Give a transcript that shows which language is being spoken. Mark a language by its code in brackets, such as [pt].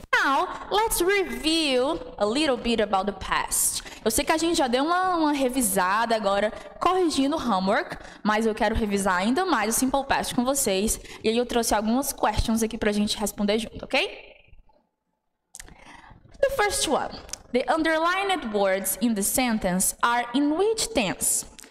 [en] Now, let's review a little bit about the past. [pt] Eu sei que a gente já deu uma revisada agora, corrigindo o homework, mas eu quero revisar ainda mais o simple past com vocês. E aí eu trouxe algumas questions aqui pra gente responder junto, ok? [en] The first one. The underlined words in the sentence are in which tense?